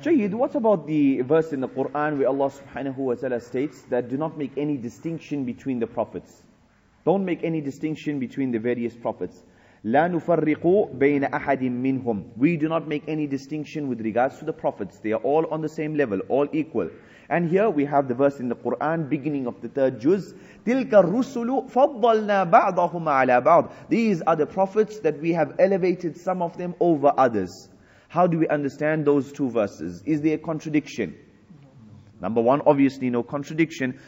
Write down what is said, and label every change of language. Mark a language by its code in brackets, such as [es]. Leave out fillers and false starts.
[en] Jayid, what about the verse in the Quran where Allah subhanahu wa ta'ala states that do not make any distinction between the prophets? Don't make any distinction between the various prophets. [ar] لا نفرق بين أحد منهم. [en] We do not make any distinction with regards to the prophets. They are all on the same level, all equal. And here we have the verse in the Quran, beginning of the third juz. [ar] تلك الرسل فضلنا بعضهم على بعض. [en] These are the prophets that we have elevated some of them over others. How do we understand those two verses? Is there a contradiction? Number one, obviously no contradiction.